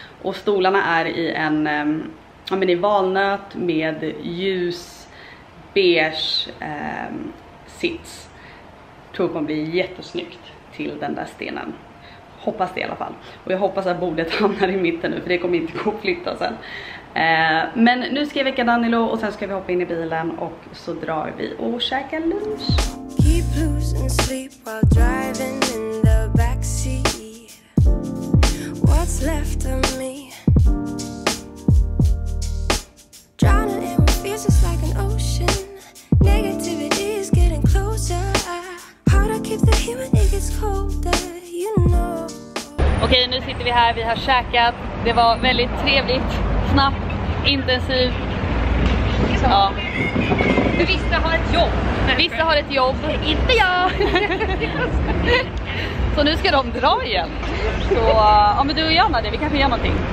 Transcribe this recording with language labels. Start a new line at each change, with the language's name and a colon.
Swedish: Och stolarna är i en i valnöt med ljus beige sits. Jag tror det kommer bli jättesnyggt till den där stenen. Hoppas det i alla fall. Och jag hoppas att bordet hamnar i mitten nu, för det kommer inte gå att flytta sen. Men nu ska jag väcka Danilo och sen ska vi hoppa in i bilen och så drar vi och käkar lunch.
English: Keep losing sleep while driving in the backseat. What's left of me? Drowning in what feels just like an ocean. Negativity is getting closer. How to keep the heat when it gets colder, you know.
Swedish: Okej, nu sitter vi här, vi har käkat. Det var väldigt trevligt, snabbt, intensivt. Ja. Vissa har ett jobb. Vissa har ett jobb. Inte jag! Så nu ska de dra igen. Så, ja men du och jag Nadia, vi kanske gör någonting.